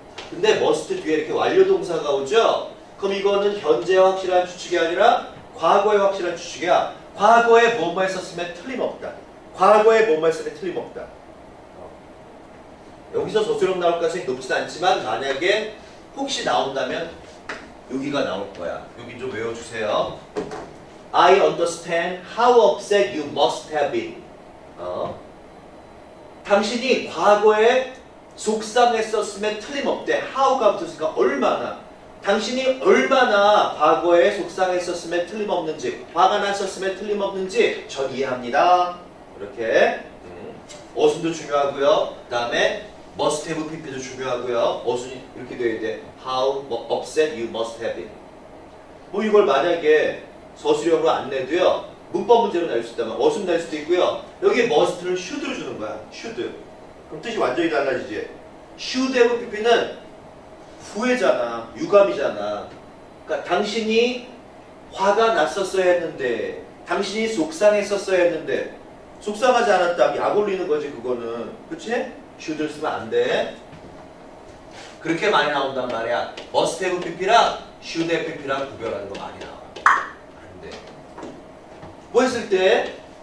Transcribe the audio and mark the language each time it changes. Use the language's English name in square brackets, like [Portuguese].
[Korean] 근데 Must 뒤에 이렇게 완료동사가 오죠. 그럼 이거는 현재의 확실한 추측이 아니라 과거의 확실한 추측이야. 과거에 뭐뭐 했었으면 틀림없다. 과거에 뭐뭐 했었으면 틀림없다. 여기서 저수령 나올 가능성이 높진 않지만 만약에 혹시 나온다면 여기가 나올 거야. 여기 좀 외워주세요. [English] I understand how upset you must have been. [Korean] 당신이 과거에 속상했었으면 틀림없대. How가 붙었으니까 얼마나. 당신이 얼마나 과거에 속상했었으면 틀림없는지 화가 났었으면 틀림없는지 전 이해합니다. 이렇게 어순도 중요하고요. 그 다음에 must have pp도 중요하고요. 어순이 이렇게 돼야 돼. [English] How upset you must have been. [Korean] 뭐 이걸 만약에 서술형으로 안 내도요. 문법 문제로 낼 수 있다면 어순 낼 수도 있고요. 여기 must를 should로 주는 거야. should. 그럼 뜻이 완전히 달라지지. should have pp는 후회잖아. 유감이잖아. 그러니까 당신이 화가 났었어야 했는데 당신이 속상했었어야 했는데 속상하지 않았다면 약 올리는 거지 그거는. 그치? should을 쓰면 안 돼. 그렇게 많이 나온단 말이야. must have pp랑 should have pp랑 구별하는 거 많이 나와. 안 돼. 뭐 했을 때?